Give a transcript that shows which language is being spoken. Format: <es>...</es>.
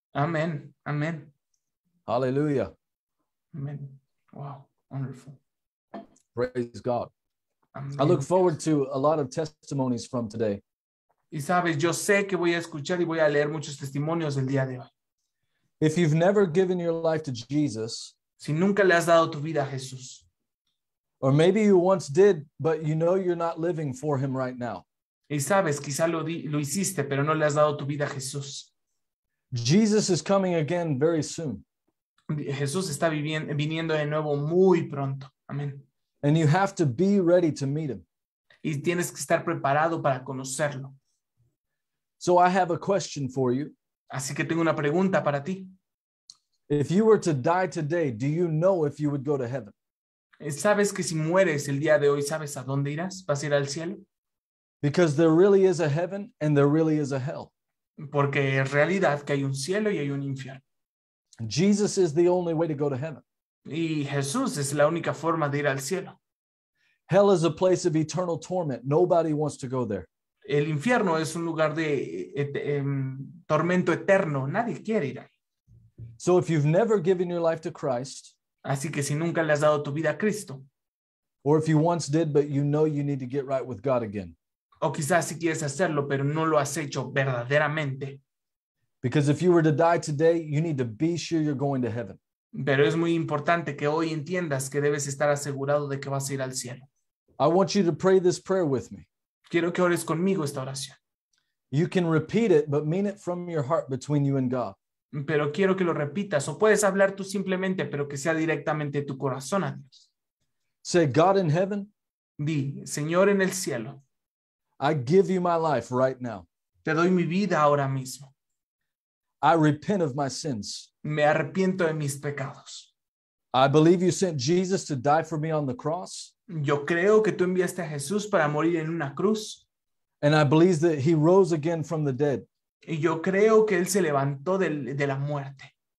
<en>Amen. Amen. Hallelujah. Amen. Wow. Wonderful. Praise God. Amen. I look forward to a lot of testimonies from today.</en> <es>Y sabes, yo sé que voy a escuchar y voy a leer muchos testimonios el día de hoy.</es> <en>If you've never given your life to Jesus,</en> <es>si nunca le has dado tu vida a Jesús,</es> <en>or maybe you once did, but you know you're not living for him right now.</en> <es>Y sabes, quizá lo hiciste, pero no le has dado tu vida a Jesús.</es> <en>Jesus is coming again very soon.</en> <es>Jesús está viniendo de nuevo muy pronto. Amén.</es> <en>And you have to be ready to meet him.</en> <es>Y tienes que estar preparado para conocerlo.</es> <en>So I have a question for you.</en> <es>Así que tengo una pregunta para ti.</es> <en>If you were to die today, do you know if you would go to heaven?</en> <es>¿Sabes que si mueres el día de hoy, sabes a dónde irás? ¿Vas a ir al cielo?</es> <en>Because there really is a heaven and there really is a hell.</en> <es>Porque en realidad que hay un cielo y hay un infierno.</es> <en>Jesus is the only way to go to heaven.</en> <es>Y Jesús es la única forma de ir al cielo.</es> <en>Hell is a place of eternal torment. Nobody wants to go there.</en> <es>El infierno es un lugar de tormento eterno. Nadie quiere ir ahí.</es> <en>So if you've never given your life to Christ,</en> <es>así que si nunca le has dado tu vida a Cristo,</es> <en>or if you once did, but you know you need to get right with God again,</en> <es>o quizás si quieres hacerlo, pero no lo has hecho verdaderamente,</es> <en>because if you were to die today, you need to be sure you're going to heaven.</en> <es>Pero es muy importante que hoy entiendas que debes estar asegurado de que vas a ir al cielo.</es> <en>I want you to pray this prayer with me.</en> <es>Quiero que ores conmigo esta oración.</es> <en>You can repeat it, but mean it from your heart between you and God.</en> <es>Pero quiero que lo repitas. O puedes hablar tú simplemente, pero que sea directamente tu corazón a Dios.</es> <en>Say, God in heaven.</en> <es>Di, Señor en el cielo.</es> <en>I give you my life right now.</en> <es>Te doy mi vida ahora mismo.</es> <en>I repent of my sins.</en> <es>Me arrepiento de mis pecados.</es> <en>I believe you sent Jesus to die for me on the cross.</en> <es>Yo creo que tú enviaste a Jesús para morir en una cruz.</es> <en>And I believe that he rose again from the dead.</en> <es>Y yo creo que él se levantó de la muerte.</es>